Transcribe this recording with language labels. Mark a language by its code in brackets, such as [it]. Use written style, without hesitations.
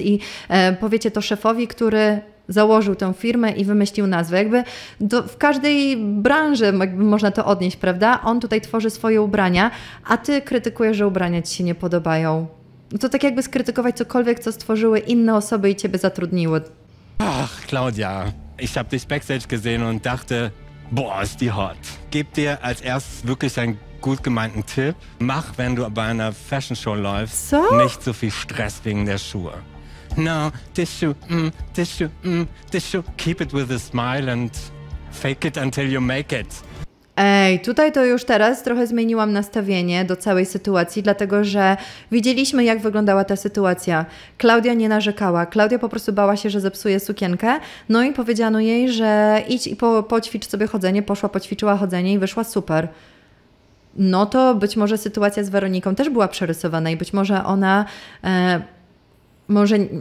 [pl] I powiecie to szefowi, który założył tę firmę i wymyślił nazwę. Jakby w każdej branży jakby można to odnieść, prawda? On tutaj tworzy swoje ubrania, a ty krytykujesz, że ubrania ci się nie podobają. No to tak jakby skrytykować cokolwiek, co stworzyły inne osoby i ciebie zatrudniły. [de] Ach, Claudia, ich hab dich backstage gesehen und dachte, boah, ist die hot. Gib dir als erstes wirklich ein gut gemeinten Tipp. Mach, wenn du bei einer Fashion Show läufst, so? Nicht so viel Stress wegen der Schuhe. [en] No, tissue, keep it with a smile and fake it until you make it. [pl] Ej, tutaj to już teraz trochę zmieniłam nastawienie do całej sytuacji, dlatego że widzieliśmy, jak wyglądała ta sytuacja. Klaudia nie narzekała. Klaudia po prostu bała się, że zepsuje sukienkę, no i powiedziano jej, że idź i poćwicz sobie chodzenie. Poszła, poćwiczyła chodzenie i wyszła super. No to być może sytuacja z Weroniką też była przerysowana i być może ona, może